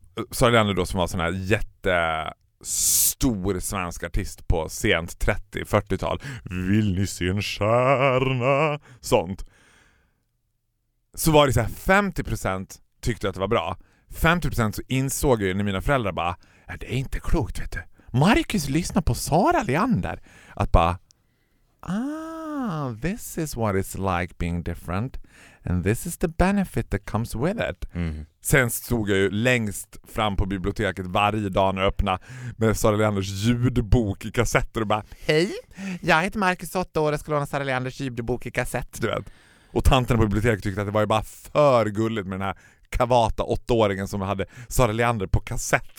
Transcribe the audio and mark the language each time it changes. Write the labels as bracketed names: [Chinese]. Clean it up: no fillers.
[Swedish] Sara Leander då, som var sån här jätte... stor svensk artist på sent 30-40-tal. Vill ni se en stjärna? Sånt. Så var det så här, 50% tyckte att det var bra. 50% så insåg jag när mina föräldrar bara: ja, det är inte klokt, vet du. Marcus lyssnar på Sara Leander. Att bara: [English] ah, this is what it's like being different. And this is the benefit that comes with it. Mm. [Swedish] Sen stod jag ju längst fram på biblioteket varje dag när jag öppnade med Sara Leanders ljudbok i kassetter och bara: hej, jag heter Marcus, 8 år, och ska låna Sara Leanders ljudbok i kassett. Du vet. Och tanterna på biblioteket tyckte att det var ju bara för gulligt med den här kavata 8-åringen som hade Sara Leander på kassett.